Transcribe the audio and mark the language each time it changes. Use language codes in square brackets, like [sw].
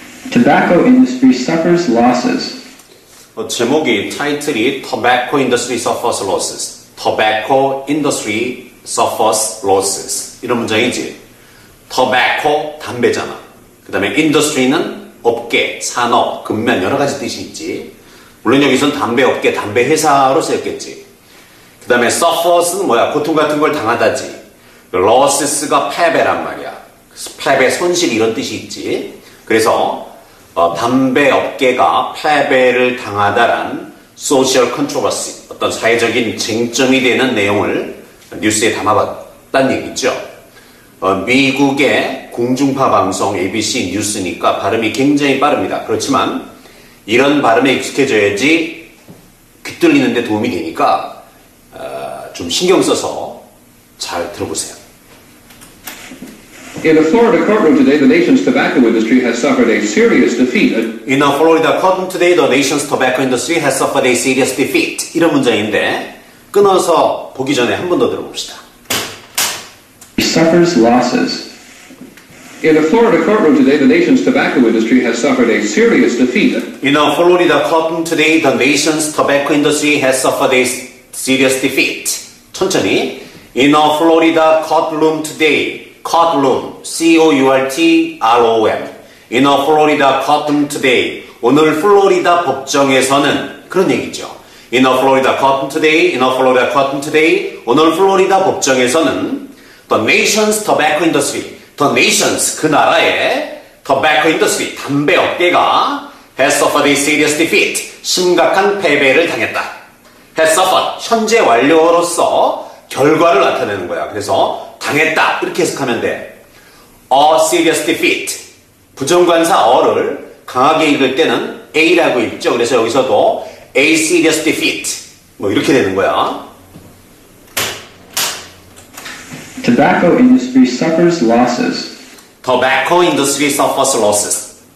[en] Tobacco industry suffers losses. [ko] 제목이 타이틀이 [en] Tobacco industry suffers losses. Tobacco industry suffers losses. [ko] 이런 문장이지. Tobacco 담배잖아. 그 다음에 industry는 업계, 산업, 금면 여러 가지 뜻이 있지. 물론 여기선 담배 업계, 담배 회사로 쓰였겠지. 그 다음에 suffers는 뭐야? 고통 같은 걸 당하다지. losses가 패배란 말이야. 패배, 손실 이런 뜻이 있지. 그래서 담배 업계가 패배를 당하다란 [en] social controversy, [ko] 어떤 사회적인 쟁점이 되는 내용을 뉴스에 담아봤단 얘기죠. 미국의 공중파 방송 ABC 뉴스니까 발음이 굉장히 빠릅니다. 그렇지만 이런 발음에 익숙해져야지 귀뚫리는 데 도움이 되니까 좀 신경 써서 잘 들어보세요. [en] In a Florida courtroom today, the nation's tobacco industry has suffered a serious defeat. In a Florida courtroom today, the nation's tobacco industry has suffered a serious defeat. [ko] 이런 문장인데 끊어서 보기 전에 한 번 더 들어봅시다. [en] Suffers losses. In a Florida courtroom today, the nation's tobacco industry has suffered a serious defeat. In a Florida courtroom today, the nation's tobacco industry has suffered a serious defeat. [ko] 천천히. [en] In a Florida courtroom today, courtroom, C-O-U-R-T-R-O-M. In a Florida courtroom today, [ko] 오늘 플로리다 법정에서는 그런 얘기죠. [en] In a Florida courtroom today, in a Florida courtroom today, [ko] 오늘 플로리다 법정에서는 [en] The nation's tobacco industry, the nation's [ko] 그 나라의 [en] tobacco industry, [ko] 담배 업계가 [en] has suffered a serious defeat, [ko] 심각한 패배를 당했다. [en] has suffered, [ko] 현재 완료로서 결과를 나타내는 거야. 그래서 당했다, 이렇게 해석하면 돼. [en] a serious defeat, [ko] 부정관사 어를 강하게 읽을 때는 a라고 읽죠. 그래서 여기서도 [en] a serious defeat, [ko] 뭐 이렇게 되는 거야. [en] Tobacco industry suffers losses. Tobacco industry suffers losses.